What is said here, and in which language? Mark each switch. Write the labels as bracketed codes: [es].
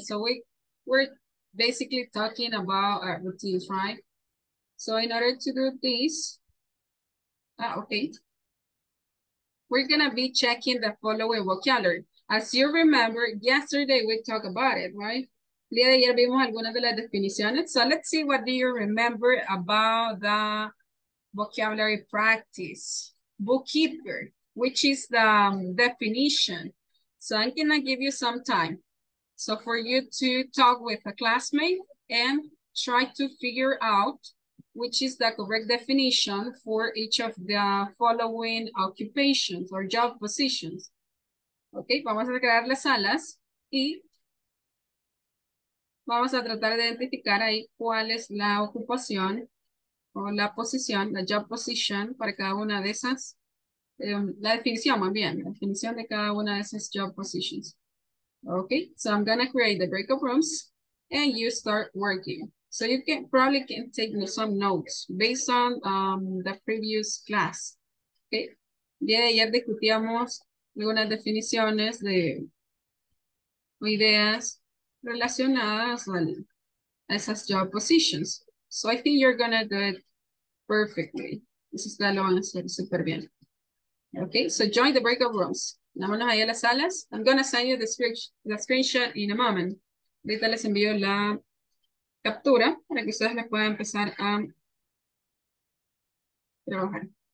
[en] So we're basically talking about our routines, right? So in order to do this, we're gonna be checking the following vocabulary. As you remember, yesterday we talked about it, right? [es] El día de ayer vimos algunas de las definiciones. [en] So let's see, what do you remember about the vocabulary practice? Bookkeeper, which is the definition. So I'm gonna give you some time. So for you to talk with a classmate and try to figure out which is the correct definition for each of the following occupations or job positions. [es] Okay, vamos a crear las salas y vamos a tratar de identificar ahí cuál es la ocupación o la posición, la job position para cada una de esas la definición, más bien, la definición de cada una de esas job positions. [en] Okay, so I'm gonna create the breakout rooms and you start working. So you can probably can take some notes based on the previous class. [es] Okay, día de ayer discutíamos algunas definiciones de ideas relacionadas a esas job positions. [en] So I think you're gonna do it perfectly. [es] Eso está lo van a hacer súper bien. [en] Okay, so join the breakout rooms. [es] Vámonos ahí a las salas. [en] I'm gonna send you the screenshot in a moment. [es] Ahorita les envío la captura para que ustedes les puedan empezar a trabajar.